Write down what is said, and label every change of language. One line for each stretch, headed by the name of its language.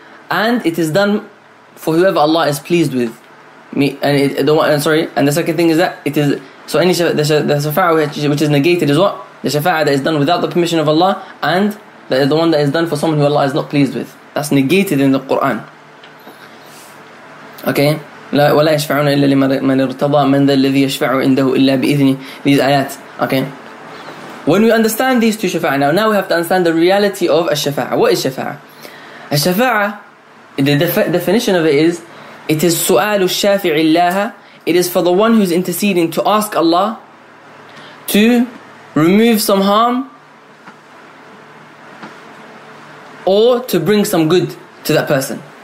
English: And it is done for whoever Allah is pleased with. And the second thing is that it is, so any shafa'ah which is negated is what? The shafa'ah that is done without the permission of Allah, and that is the one that is done for someone who Allah is not pleased with. That's negated in the Quran.
Arabic: Okay, لا ولا يشفعون إلا لمن ارتضى من ذا الذي يشفع عنده إلا بإذنه. These ayat. Okay,
English: When we understand these two shafa'ah, now we have to understand the reality of a shafa'ah. What is shafa'ah? A shafa'ah, the definition of it is su'alu shafi'i Allaha. It is for the one who's interceding to ask Allah to remove some harm or to bring some good to that person.